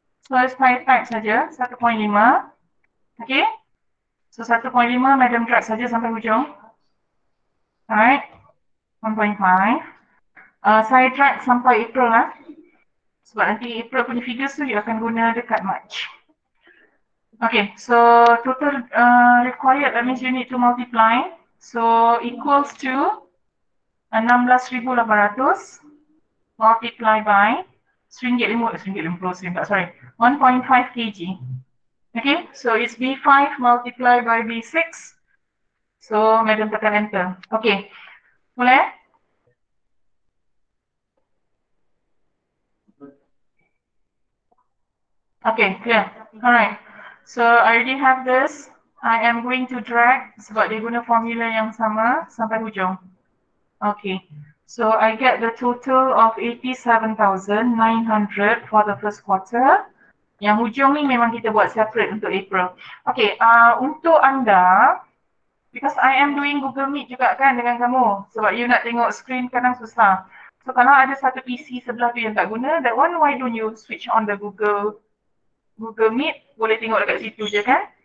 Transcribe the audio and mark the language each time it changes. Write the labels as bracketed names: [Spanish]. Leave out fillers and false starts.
[English] So it's 5 times saja, 1.5. Okay. [Malay] So 1.5 madam drag saja sampai hujung. Alright. 1.5. Saya drag sampai April lah. Sebab nanti April punya figures tu you akan guna dekat March. [English] Okay, so total required, that means you need to multiply. So equals to 16,800 multiply by RM1.50, sorry, 1.5 kg. Okay, so it's B5 multiply by B6. So, madam tekan enter. [Malay] Okay, boleh? [English] Okay, clear. Alright. So, I already have this. I am going to drag [Malay] sebab dia guna formula yang sama sampai hujung. Okay. [English] So, I get the total of 87,900 for the first quarter. [Malay] Yang hujung ni memang kita buat separate untuk April. Okay. Untuk anda, [English] because I am doing Google Meet [Malay] juga kan dengan kamu. Sebab you nak tengok screen kadang susah. So, kalau ada satu PC sebelah tu yang tak guna, that one, [English] why don't you switch on the Google Meet, [Malay] boleh tengok dekat situ je kan?